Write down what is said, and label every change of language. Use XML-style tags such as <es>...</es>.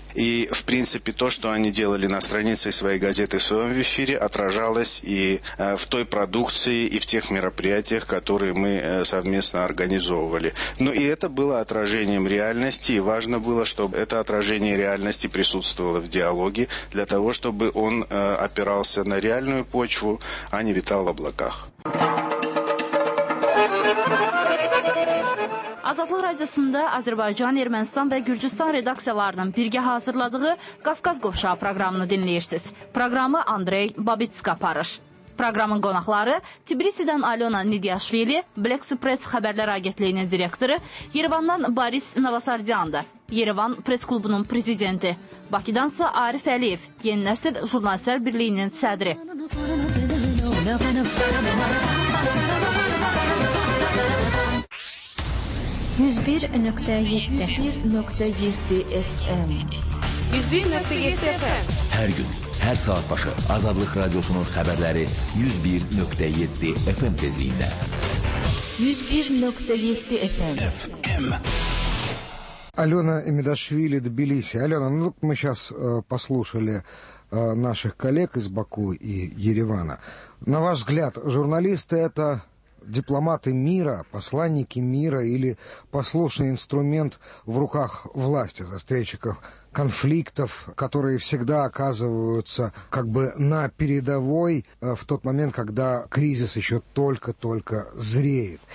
<ru>И, в принципе, то, что они делали на странице своей газеты в своем эфире, отражалось и в той продукции, и в тех мероприятиях, которые мы совместно организовывали. Но и это было отражением реальности, и важно было, чтобы это отражение реальности присутствовало в диалоге, для того, чтобы он опирался на реальную почву, а не витал в облаках.</ru> <az>Azadlıq Radiosunda Azərbaycan, Ermənistan və Gürcüstan redaksiyalarının birgə hazırladığı Qafqaz Qovşağı proqramını dinləyirsiniz. Proqramı Andrey Babitsk aparır. Proqramın qonaqları Tbilisidən Alona Nidiaşvili, Black Press Xəbərlər Agentliyinin direktoru, Yerevandan Boris Novosardiandır, Yerevan Press Klubunun prezidenti, Bakıdansa Arif Əliyev, Yeni Nəsil Jurnalistlər Birliyinin sədri.</az> <tr>Müzbir nokta yedi. 101.7 FM. 101.7 FM. Her gün, her saat başı Azadlık Radyosu'nun haberleri 101.7 FM tezliğinde. 101.7 FM.</tr> <ru>Алена Эмидашвили, Тбилиси. Алена, ну вот мы сейчас послушали наших коллег из Баку и Еревана. На ваш взгляд, журналисты – это дипломаты мира, посланники мира или послушный инструмент в руках власти, застрельщиков конфликтов, которые всегда оказываются как бы на передовой в тот момент, когда кризис еще только-только зреет?</ru>